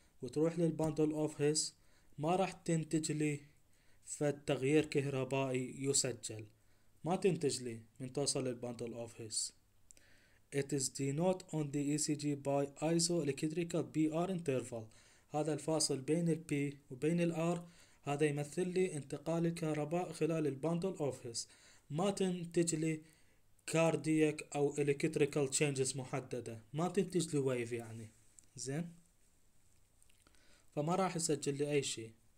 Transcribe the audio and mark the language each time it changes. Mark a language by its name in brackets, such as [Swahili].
[Arabic] وتروح للباندل اوفيس ما راح تنتج لي فالتغيير كهربائي يسجل، ما تنتج لي من توصل للباندل اوفيس. [English] It is denote on the ECG by isoelectrical PR interval. [Arabic] هذا الفاصل بين ال P وبين ال R هذا يمثل لي انتقال الكهرباء خلال الباندل اوفيس، ما تنتج لي كاردياك او الكتريكال تشينجز محددة، ما تنتج لي ويف يعني زين، فما راح يسجل لي اي شيء.